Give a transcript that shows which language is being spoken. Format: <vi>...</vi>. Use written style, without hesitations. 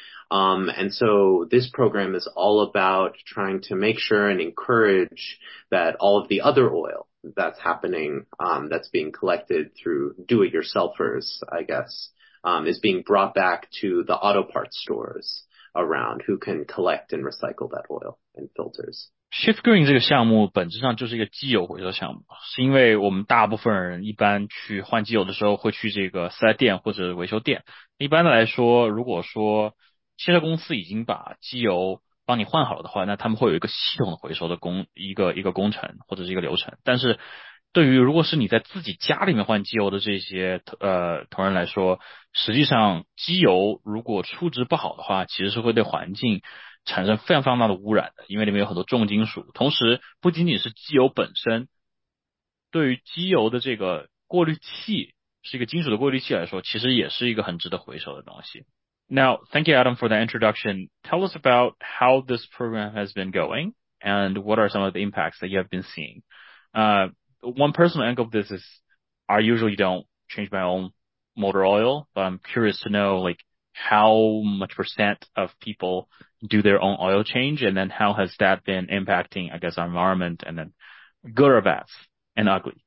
<en>And so this program is all about trying to make sure and encourage that all of the other oil that's happening, that's being collected through do-it-yourselfers, I guess, is being brought back to the auto parts stores around who can collect and recycle that oil and filters.</en> <zh>Shift Green 这个项目本质上就是一个机油回收项目，是因为我们大部分人一般去换机油的时候会去这个4S店或者维修店。一般的来说，如果说汽车公司已经把机油帮你换好了的话，那他们会有一个系统的回收的一个工程或者是一个流程。但是对于如果是你在自己家里面换机油的这些同仁来说，实际上机油如果处置不好的话，其实是会对环境产生非常非常大的污染的，因为里面有很多重金属。同时不仅仅是机油本身，对于机油的这个过滤器，是一个金属的过滤器来说，其实也是一个很值得回收的东西。</zh> <en>Now, thank you, Adam, for the introduction. Tell us about how this program has been going and what are some of the impacts that you have been seeing. One personal angle of this is I usually don't change my own motor oil, but I'm curious to know, like, how much percent of people do their own oil change, and then how has that been impacting, I guess, our environment, and then good or bad and ugly?</en>